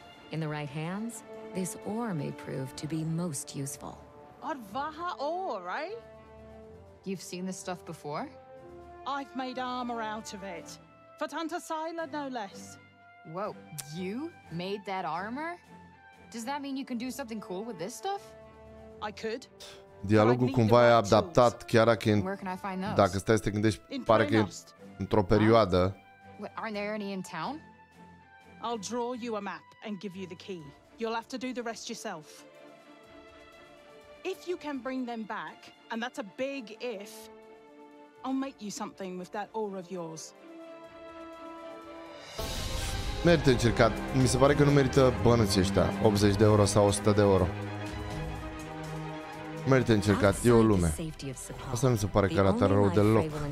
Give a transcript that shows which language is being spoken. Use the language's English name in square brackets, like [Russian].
[English] In the right hands, this ore may prove to be most useful. Advaha ore, right? You've seen this stuff before? I've made armor out of it. For Tanta Sila, no less. Whoa, you made that armor? Does that mean you can do something cool with this stuff? I could. [Romanian] Dialogul cumva e adaptat, chiar dacă dacă stai să te gândești, pare că e într-o perioadă. [English] Aren't there any in town? I'll draw you a map and give you the key. You'll have to do the rest yourself. If you can bring them back, and that's a big if, I'll make you something with that aura of yours. [Romanian] Merită încercat. Mi se pare că nu merită bănuții ăștia, 80 de euro sau 100 de euro. Merită încercat, e o lume. Asta nu se pare că arată rău deloc.